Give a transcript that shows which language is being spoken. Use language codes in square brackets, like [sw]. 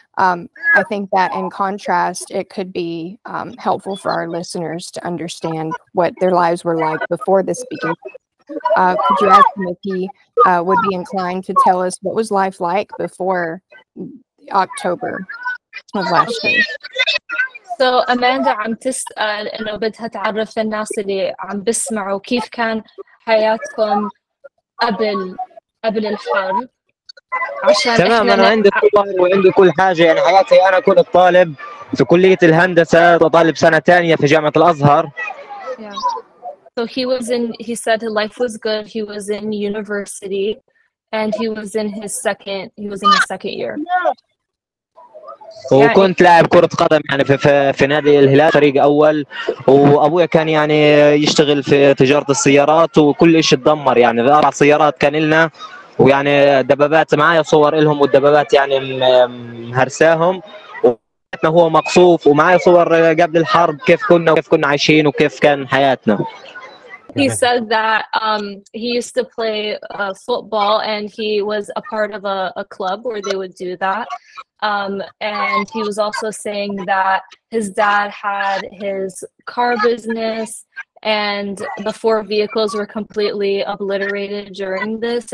[en] I think that in contrast, it could be helpful for our listeners to understand what their lives were like before this began. Could you ask him if he would be inclined to tell us what was life like before October of last year? So [ar] Amanda, عم تسأل إنه بدها تعرف الناس اللي عم بسمعوا كيف كان حياتكم قبل الحرب عشان تمام أنا عندي الطالب وعندي كل حاجة يعني حياتي أنا كنت طالب في كلية الهندسة وطالب سنة ثانية في جامعة الأزهر. [en] Yeah. So he was in. He said his life was good. He was in university, and he was in his second. He was in his second year. [ar] وكنت لاعب كرة قدم يعني في نادي الهلال فريق أول وأبويا كان يعني يشتغل في تجارة السيارات وكل إشي تدمر يعني أربع سيارات كان لنا ويعني دبابات معايا صور لهم والدبابات يعني مهرساهم وحياتنا هو مقصوف ومعايا صور قبل الحرب كيف كنا وكيف كنا عايشين وكيف كان حياتنا. [en] He said that he used to play football and he was a part of a club where they would do that. And he was also saying that his dad had his car business and the four vehicles were completely obliterated during this.